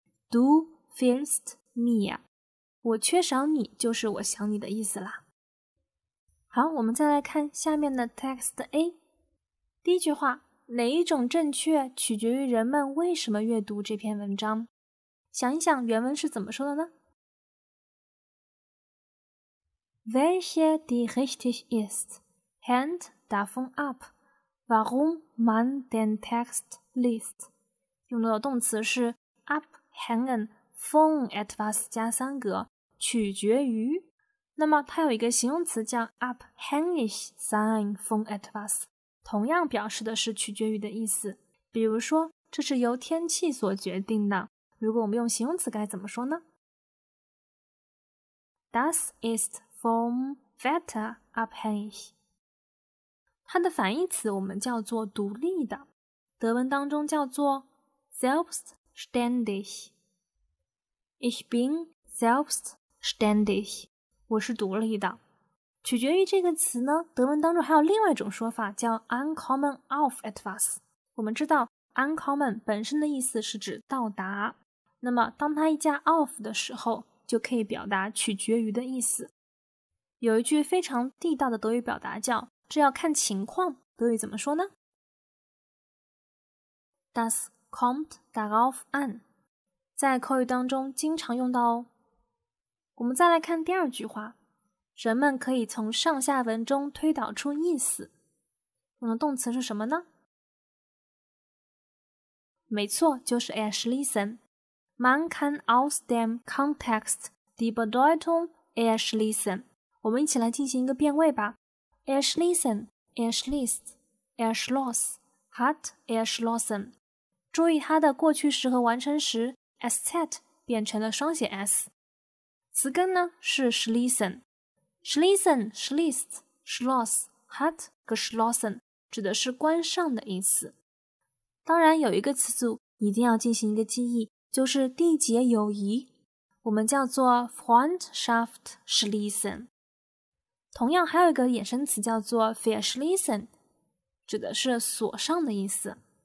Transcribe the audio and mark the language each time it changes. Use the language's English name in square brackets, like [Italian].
[German] Du fehlst mir， [Chinese] 我缺少你就是我想你的意思啦。好，我们再来看下面的 text A。第一句话，哪一种正确取决于人们为什么阅读这篇文章。想一想原文是怎么说的呢？ [German] Welche die richtig ist, hängt davon ab, warum man den Text liest. [Chinese] 用到的动词是 abhängen von etwas 加三格，取决于。那么它有一个形容词叫 abhängig sein von etwas， 同样表示的是取决于的意思。比如说，这是由天气所决定的。如果我们用形容词该怎么说呢？ [German] Das ist vom Wetter abhängig。 [Chinese] 它的反义词我们叫做独立的，德文当中叫做 selbstständig。 [German] Ich bin selbstständig， [Chinese] 我是独立的。取决于这个词呢，德文当中还有另外一种说法叫 uncommon of etwas。我们知道 uncommon 本身的意思是指到达，那么当它一加 of 的时候就可以表达取决于的意思。有一句非常地道的德语表达叫这要看情况，德语怎么说呢？ [German] Das kommt darauf an， [Chinese] 在口语当中经常用到哦。我们再来看第二句话，人们可以从上下文中推导出意思，用的动词是什么呢？没错，就是 erschließen。 [German] Man kann aus dem Kontext die Bedeutung erschließen。 [Chinese] 我们一起来进行一个变位吧。 [German] Erschließen, erschließt, erschloss, hat erschlossen。 [Chinese] 注意它的过去时和完成时 sz 变成了双写 s， 词根呢是 schließen。 [German] Schließen, schließt, schloss, hat geschlossen [Chinese] 指的是关上的意思。当然有一个词组一定要进行一个记忆，就是缔结友谊，我们叫做 Freundschaft schließen。同样还有一个衍生词叫做 verschließen， 指的是锁上的意思。